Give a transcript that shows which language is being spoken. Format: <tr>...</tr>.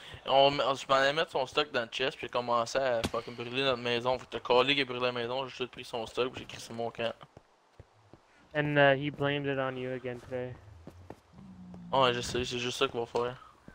<fr>Je m'en allais mettre son stock dans le chest, puis il commençait à fucking brûler notre maison. Faut que t'as collé qu'il brûlait la maison, j'ai juste pris son stock, j'ai crissé mon camp.</fr> <en>And he blamed it on you again today.</en> <fr>Oh, je sais, c'est juste ça qu'il va faire.</fr>